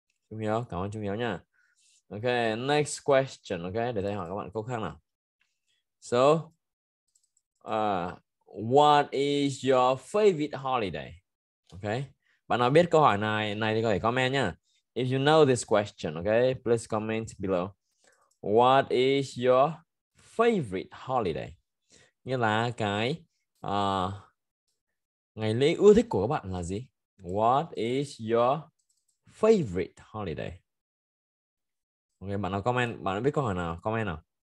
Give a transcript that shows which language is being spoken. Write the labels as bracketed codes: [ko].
[vi] Trung Hiếu, cảm ơn Trung Hiếu nha. [en] Okay, next question. Okay, [vi] để thầy hỏi các bạn câu khác nào. [en] So, what is your favorite holiday? Okay. [vi] Bạn nào biết câu hỏi này này thì có thể comment nhá. [en] If you know this question, okay, please comment below. What is your favorite holiday? [vi] Nghĩa là cái ngày lễ ưa thích của các bạn là gì? [en] What is your favorite holiday? [vi] Okay, bạn nào comment, bạn nào biết câu hỏi nào, comment nào.